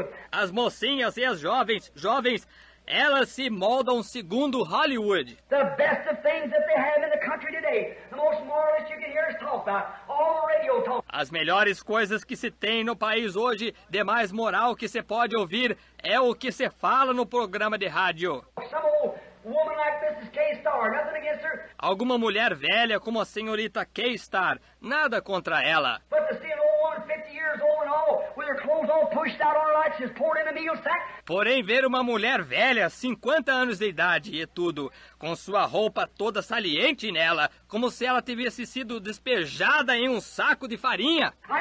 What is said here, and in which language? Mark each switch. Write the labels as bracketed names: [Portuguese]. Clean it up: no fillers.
[Portuguese] As mocinhas e as jovens, elas se moldam segundo Hollywood. [English] The best of things that they have in the country today. The most moralist you can hear us talk about. All the radio talk. [Portuguese] As melhores coisas que se tem no país hoje, de mais moral que se pode ouvir, é o que se fala no programa de rádio. [English] Some old woman like Mrs. K-Star, nothing against her. [Portuguese] Alguma mulher velha como a senhorita K-Star, nada contra ela. [English] But to see an old woman 50 years old and all, with her clothes all pushed out on her like she's poured in a meal sack. [Portuguese] Porém, ver uma mulher velha, 50 anos de idade e tudo, com sua roupa toda saliente nela, como se ela tivesse sido despejada em um saco de farinha.